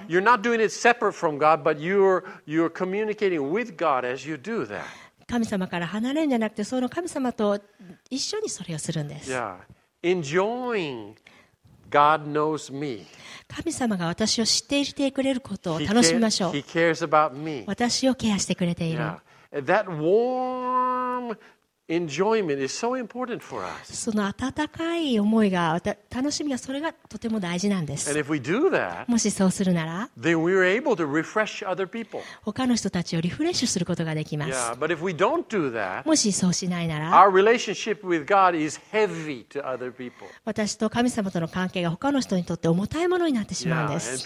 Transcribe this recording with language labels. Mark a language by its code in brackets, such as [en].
[en] But you're not doing it separate from God, but you're communicating with God as you do that. [ja] 神様から離れるんじゃなくて、その神様と一緒にそれをするんです。 [en] Yeah, enjoying God knows me. [ja] 神様が私を知っていてくれることを楽しみましょう。 [en] He cares about me. [ja] 私をケアしてくれている。 [en] Yeah. That warm enjoyment is so important for us. [ja] その温かい思いが、楽しみがそれがとても大事なんです。 [en] And if we do that, [ja] もしそうするなら、 [en] then we're able to refresh other people. [ja] 他の人たちをリフレッシュすることができます。 [en] Yeah, but if we don't do that, [ja] もしそうしないなら、 [en] our relationship with God is heavy to other people. [ja] 私と神様との関係が他の人にとって重たいものになってしまうんです。